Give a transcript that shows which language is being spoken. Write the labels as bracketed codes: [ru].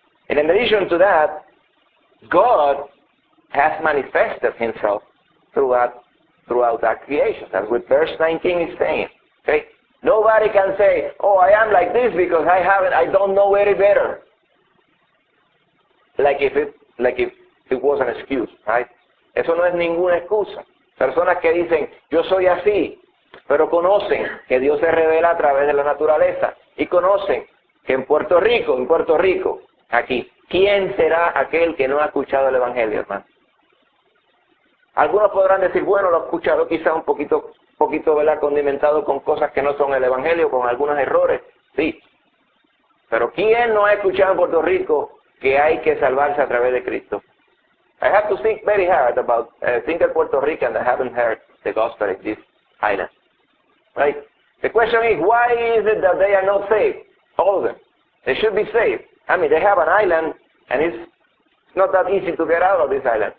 [en] And in addition to that, God has manifested himself throughout that creation. That's what verse 19 is saying. Okay? Nobody can say, oh, I am like this because I don't know any better. Like if it was an excuse, right? [es] Eso no es ninguna excusa. Personas que dicen, yo soy así, pero conocen que Dios se revela a través de la naturaleza. Y conocen que en Puerto Rico, aquí, ¿quién será aquel que no ha escuchado el Evangelio, hermano? Algunos podrán decir, bueno, lo he escuchado quizá un poquito, ¿verdad?, condimentado con cosas que no son el Evangelio, con algunos errores, sí. Pero ¿quién no ha escuchado en Puerto Rico que hay que salvarse a través de Cristo? [en] I have to think very hard about single Puerto Rican that haven't heard the gospel in this island. Right? The question is, why is it that they are not saved? All of them. They should be saved. I mean, they have an island, and it's not that easy to get out of this island.